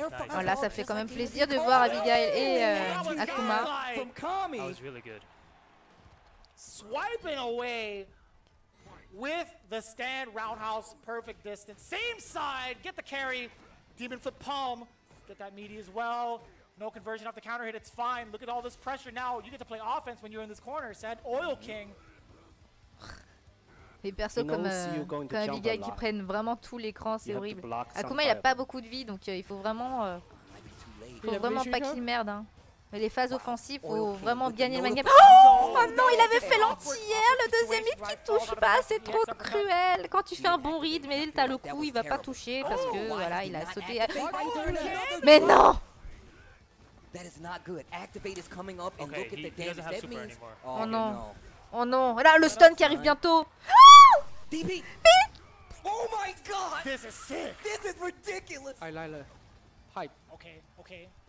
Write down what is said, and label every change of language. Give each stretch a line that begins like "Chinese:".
French: Voilà, ça fait quand même plaisir de voir Abigail et Akuma.
English: Swiping away with the stand roundhouse, perfect distance. Same side, get the carry, demon flip palm, get that meaty as well. No conversion off the counter hit, it's fine. Look at all this pressure now. You get to play offense when you're in this corner, said Oil King.
French: Les persos comme Abigail qui prennent vraiment tout l'écran, c'est horrible. Akuma, il a pas beaucoup de vie, donc il faut vraiment pas qu'il merde. Hein. Mais les phases offensives, faut vraiment gagner le mangap. Oh, oh non, il avait fait l'anti-air, le deuxième hit qui touche pas, c'est trop cruel. Quand tu fais un bon read, mais t'as le coup, il va pas toucher parce que voilà, il a sauté. Mais non!
English: That is not good. Activate is coming up and okay, look at the damage that super means.
French: Oh, oh non. Oh non. Là, le stun qui arrive bientôt.
English: DP. Oh my god. This is sick. This is ridiculous. Hi Lila. Hi. Okay. Okay.